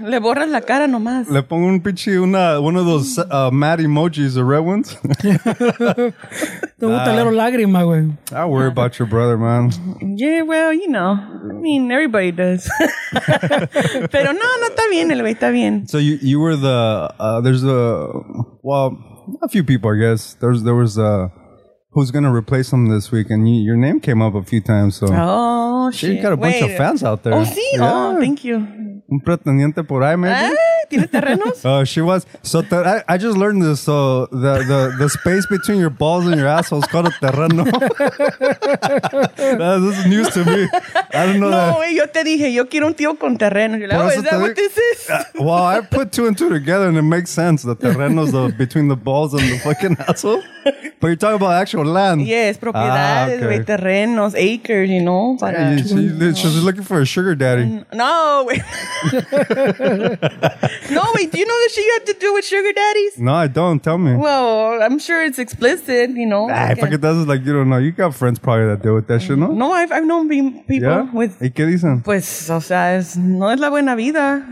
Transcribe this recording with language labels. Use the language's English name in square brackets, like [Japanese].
[Spanish] Le borras la cara nomás. Le pongo un pinche, [English] one of those mad emojis, the red ones. [Spanish] Te gusta leer lágrima, güey. [English] I worry about your brother, man. Yeah, well, you know. I mean, everybody does. [Spanish] Pero no, está bien, el güey, está bien. [English] So you were the, a few people, I guess. There was who's going to replace him this week? And your name came up a few times, so... Oh, shit. You got a bunch of fans out there. Oh, sí? Yeah. Oh, thank you. [Spanish] Un pretendiente por ahí, maybe? ¿Tiene terrenos? [English] She was... So, I just learned this. So, the space between your balls and your asshole is called a terreno. This is news to me. I don't know [Spanish] that. No, güey, yo te dije, yo quiero un tío con terreno. [English] Like, oh, is that what this is? Well, I put two and two together, and it makes sense. The terrenos between the balls and the fucking asshole. But you're talking about actual land. Yes, propiedades, okay. Terrenos, acres, you know. Para she's looking for a sugar daddy. No. No, wait. Do you know that she had to do with sugar daddies? No, I don't. Tell me. Well, I'm sure it's explicit, you know. If I could tell you, like, you don't know. You got friends probably that deal with that shit, no? No, I've known people with... [Spanish] ¿Y qué dicen? Pues, o sea, es, no es la buena vida.